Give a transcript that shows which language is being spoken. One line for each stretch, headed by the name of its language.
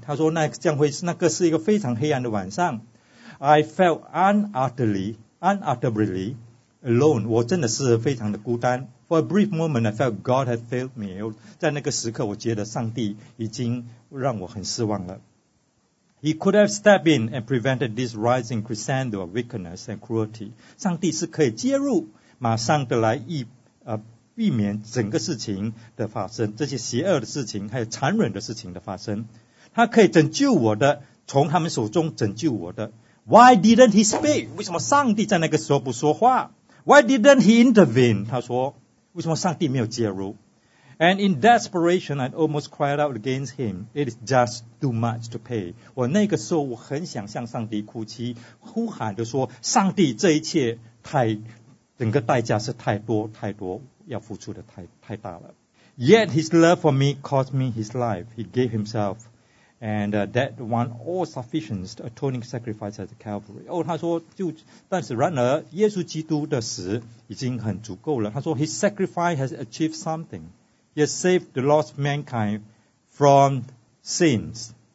Chinese: 他说那个是一个非常黑暗的晚上。
English: I felt unutterably alone.
Chinese: 我真的是非常的孤单。
English: For a brief moment, I felt God had failed me.
Chinese: 在那个时刻我觉得上帝已经让我很失望了。
English: He could have stepped in and prevented this rising crescendo of wickedness and cruelty.
Chinese: 上帝是可以介入马上的来避免整个事情的发生，这些邪恶的事情还有残忍的事情的发生，他可以拯救我的，从他们手中拯救我的。
English: Why didn't he speak?
Chinese: 为什么上帝在那个时候不说话？
English: Why didn't he intervene?
Chinese: 他说为什么上帝没有介入？
English: And in desperation I almost cried out against him, It is just too much to pay.
Chinese: 我那个时候我很想向上帝哭泣，呼喊的说，上帝，这一切太整个代价是太多太多，要付出的太大了。
English: Yet his love for me cost me his life. He gave himself, and that one all sufficient atoning sacrifice at the Calvary.
Chinese: 他说但是然而，耶稣基督的死已经很足够了。他说
English: ，His sacrifice has achieved something. He has saved the lost mankind from sins.